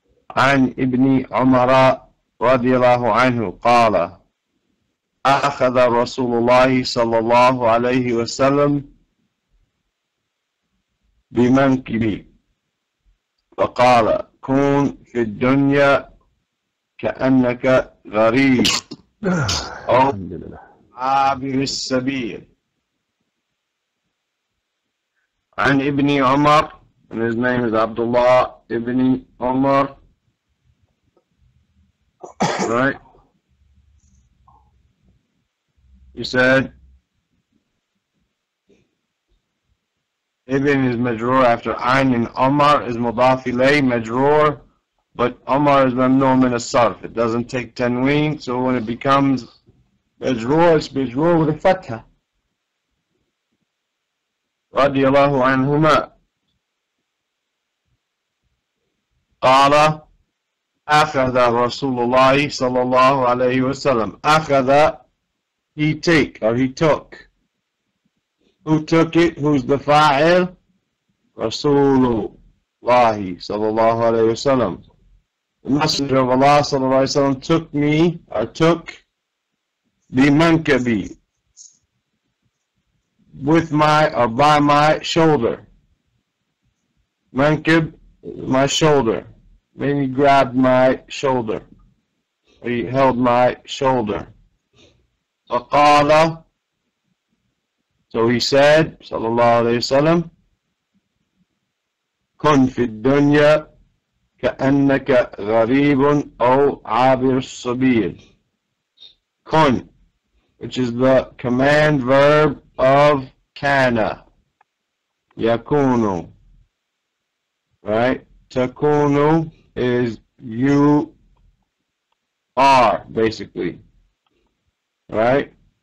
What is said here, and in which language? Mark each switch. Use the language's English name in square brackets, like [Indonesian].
[Arabic] عن ابن عمر رضي الله عنه قال أخذ رسول الله صلى الله عليه وسلم بمنكبي فقال كن في الدنيا كأنك غريب أو عابر السبيل. عن ابن عمر, [English] and his name is Abdullah ibn Umar, right? He said, Ibn is majrur after Ayn, and Umar is mudafilay, majrur, but Umar is mamnu min as-sarf. It doesn't take tanween, so when it becomes majrur, it's majrur with a fatha. [Arabic] Radiallahu anhuma. قال أخذ رسول الله صلى الله عليه وسلم أخذ [English] he take or he took. Who took it? Who's the فاعل? [Arabic] رسول الله صلى الله عليه وسلم. [English] The Messenger of Allah [Arabic] صلى الله عليه وسلم [English] took me or took بمنكبي with my or by my shoulder. منكب, my shoulder. Then he grabbed my shoulder. He held my shoulder. [Arabic] فَقَالَ [English] So he said, [Arabic] صلى الله عليه وسلم, كُنْ فِي الدُّنْيَا كَأَنَّكَ غَرِيبٌ أَوْ عَابِرُ السَّبِيلِ. [English] كُنْ, which is the command verb of كَانَ, يَكُونُ, right? تَكُونُ is you are, basically, right?